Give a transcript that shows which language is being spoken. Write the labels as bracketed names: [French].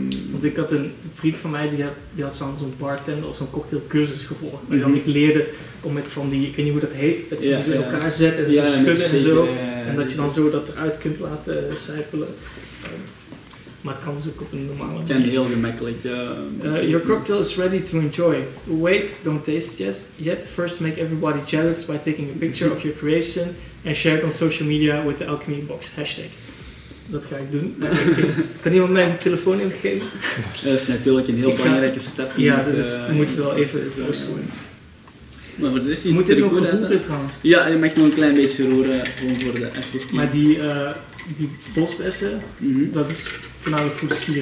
[Dutch] Want ik had een vriend van mij, die had zo'n bartender of zo'n cocktailcursus gevolgd. Maar ik leerde om met van die, ik weet niet hoe dat heet, dat je ze in elkaar zet en zo schudden en zo. En dat je dan zo dat eruit kunt laten sijpelen. Maar het kan dus ook op een normale manier. Het kan heel gemakkelijk. [English] Your cocktail is ready to enjoy. Wait, don't taste yet. First make everybody jealous by taking a picture of your creation and share it on social media with the Alchemy Box hashtag. [Dutch] Dat ga ik doen. Kan iemand mijn telefoon even geven? Dat is natuurlijk een heel belangrijke stap. Ja, dat dus moet wel even loskomen. Maar voor de rest moet het er nog goed uit. Ja, je mag nog een klein beetje roeren voor de effect. Maar die... die bosbessen, dat is voornamelijk voor de sier.